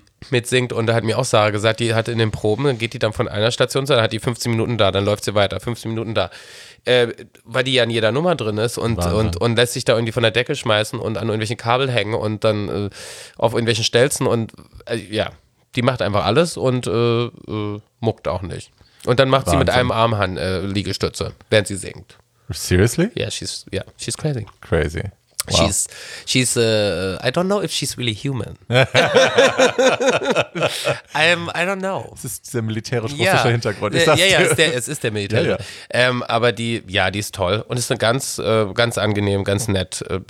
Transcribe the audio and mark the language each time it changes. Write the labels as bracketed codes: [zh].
[de] mitsingt und da hat mir auch Sarah gesagt, die hat in den Proben, dann geht die dann von einer Station zu, dann hat die 15 Minuten da, dann läuft sie weiter, 15 Minuten da, weil die ja in jeder Nummer drin ist und lässt sich da irgendwie von der Decke schmeißen und an irgendwelchen Kabel hängen und dann auf irgendwelchen Stelzen und die macht einfach alles und muckt auch nicht. Und dann macht sie mit einem Arm Liegestütze, während sie singt. [en] Seriously? Yeah, she's crazy. Crazy. Wow. She's I don't know if she's really human. I don't know. [de] Es ist der militärisch-russische Hintergrund. Ich sag's Es ist der militärische. Ja. Aber die ist toll und ist eine ganz, ganz angenehm, ganz nett.